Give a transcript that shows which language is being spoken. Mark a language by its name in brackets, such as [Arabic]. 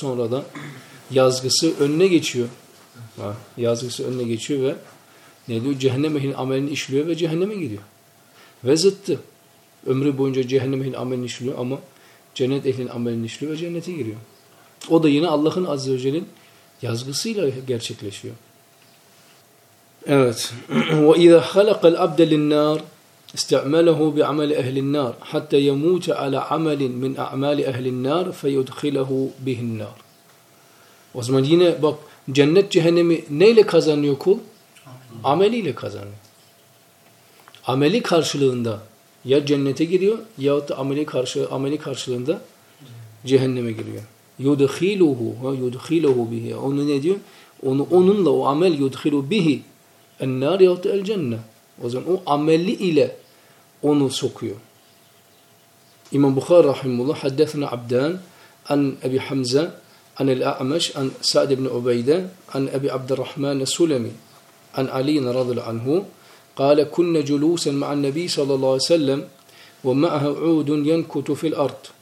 [Turkish] Sonra da yazgısı önüne geçiyor. Yazgısı önüne geçiyor ve ne diyor? Cehennem ehlinin amelini işliyor ve cehenneme gidiyor. Ve zıttı. Ömrü boyunca cehennem ehlinin amelini işliyor ama cennet ehlinin amelini işliyor ve cennete giriyor. O da yine Allah'ın azze ve celle'nin yazgısıyla gerçekleşiyor. Evet. [Arabic] وَاِذَا خَلَقَ الْعَبْدَ لِلنَّارِ استعمله بعمل أهل النار حتى يموت على عمل من أعمال أهل النار فيدخله به النار. [Turkish] O zaman yine bak, cennet cehennemi neyle kazanıyor kul? Ameliyle kazanıyor. Ameli karşılığında ya cennete giriyor yahut da ameli karşılığında cehenneme giriyor. [Arabic] يدخله يدخله به. [Turkish] Onu ne diyor? Onunla o amel [Arabic] يدخله به النار يهوت الجنة. [Turkish] O zaman o ameli ile onu sokuyor. [Arabic] İmam Bukhari rahimullah haddesna Abdan an Ebi Hamza an el-A'maş an Sa'd ibn Ubeyde an Ebi Abdurrahman Sulemi an Ali radıyallahu anhu قال كنا جلوسا مع النبي صلى الله عليه وسلم ومعه عود ينكت في الارض.